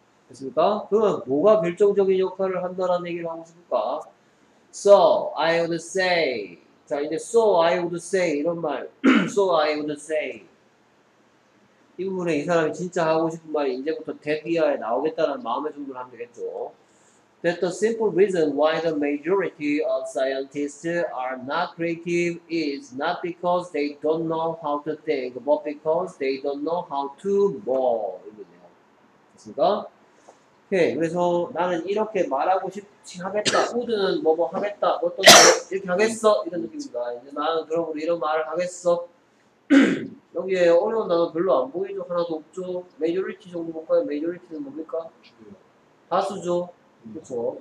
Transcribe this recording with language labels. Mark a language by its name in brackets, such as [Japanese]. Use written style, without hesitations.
[Korean] 됐습니까? 그러면 뭐가 결정적인 역할을 한다라는 얘기를 하고 싶을까? [English] So I would say. 자 이제 so I would say 이런 말. so I would say. [Korean] 이 부분에 이 사람이 진짜 하고 싶은 말이 이제부터 대비하에 나오겠다는 마음의 준비를 하면 되겠죠. [English] That the simple reason why the majority of scientists are not creative is not because they don't know how to think, but because they don't know how to bore. [Korean] 됐습니까? 오케이. 그래서 나는 이렇게 말하고 싶지 하겠다. 우드는 뭐뭐 하겠다. 어떤 이렇게 하겠어. 이런 느낌입니다. 이제 나는 그러므로 이런 말을 하겠어. 여기에 어려운 단어 별로 안 보이죠? 하나도 없죠? 메이저리티 정도 볼까요? 메이저리티는 뭡니까? 다수죠? 그쵸?